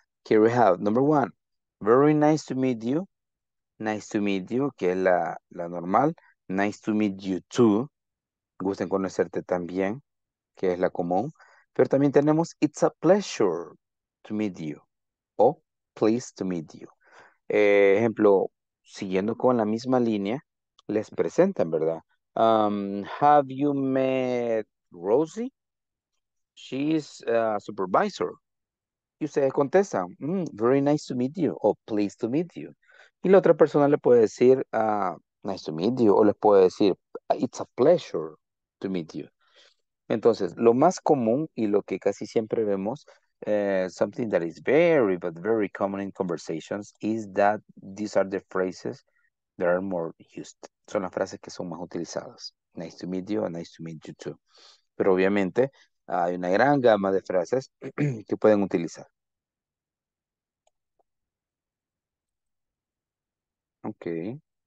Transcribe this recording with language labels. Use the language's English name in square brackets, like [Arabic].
[English] Here we have, number one, very nice to meet you. Nice to meet you, [Spanish] que es la normal. [English] Nice to meet you too. [Spanish] Gusto en conocerte también, que es la común. Pero también tenemos, [English] it's a pleasure to meet you. [Spanish] O, [English] pleased to meet you. [Spanish] Ejemplo, siguiendo con la misma línea, les presentan, ¿verdad? [English] Have you met Rosie? She's a supervisor. [Spanish] Y ustedes contestan, [English] very nice to meet you, [Spanish] o [English] pleased to meet you. [Spanish] Y la otra persona le puede decir, [English] nice to meet you, [Spanish] o les puede decir, [English] it's a pleasure to meet you. [Spanish] Entonces, lo más común y lo que casi siempre vemos, [English] something that is very, but very common in conversations, is that these are the phrases that are more used. [Spanish] Son las frases que son más utilizadas. [English] Nice to meet you, nice to meet you too. [Spanish] Pero obviamente, hay una gran gama de frases que pueden utilizar. [English] Okay.